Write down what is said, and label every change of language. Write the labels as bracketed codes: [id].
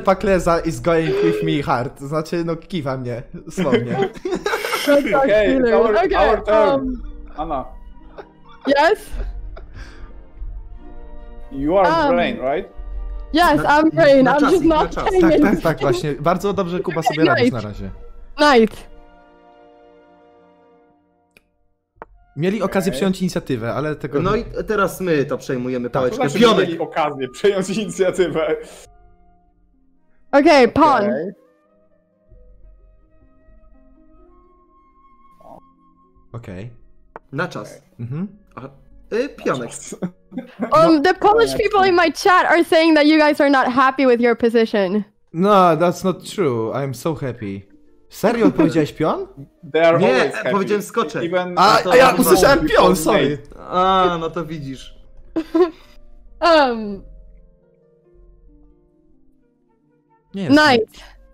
[en] Pakleza is going with me hard? [pl] Znaczy, no kiwa mnie, słownie. [en] Okay, our turn. Anna. Yes? You are brain, right? Yes, I'm brain, no, I'm just not paying attention. [pl] Tak, właśnie. Bardzo dobrze Kuba sobie okay, radzisz na razie. [en] Knight. [pl] Mieli okazję przejąć inicjatywę, ale tego... No i teraz my to przejmujemy pałeczkę. To znaczy, mieli okazję przejąć inicjatywę. Okej, okay, pawn. Okej. Okay. Na czas. Okay. Mhm. Pionek. [en] The Polish people in my chat are saying that you guys are not happy with your position. No, that's not true. I'm so happy. [pl] Serio powiedziałeś pion? Nie, powiedziałem skoczek. A ja usłyszałem pion, sorry. A, no to widzisz. Nie [en] knight.